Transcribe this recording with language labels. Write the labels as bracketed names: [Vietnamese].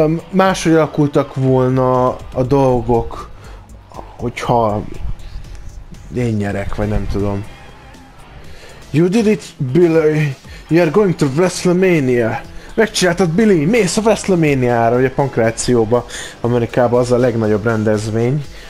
[Hungarian] Máshogy alakultak volna a dolgok, hogyha én nyerek, vagy nem tudom. [English] You did it, Billy. You are going to WrestleMania. [Hungarian] Megcsináltad, Billy, mész a WrestleMania-ra, ugye Pankrációba. Amerikában az a legnagyobb rendezvény.